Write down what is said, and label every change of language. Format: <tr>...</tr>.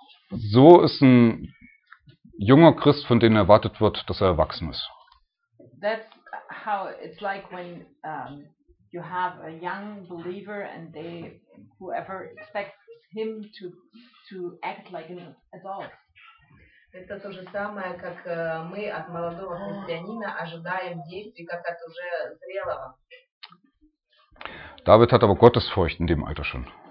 <de>So ist ein junger Christ, von dem erwartet wird, dass er erwachsen ist.</de> <en>That's how it's like when you have a young believer and they whoever expects him to act like an adult.</en> <ru>Это то же самое, как мы от молодого христианина ожидаем действий, как от уже зрелого.</ru> <de>David hat aber Gottesfurcht in dem Alter schon.</de>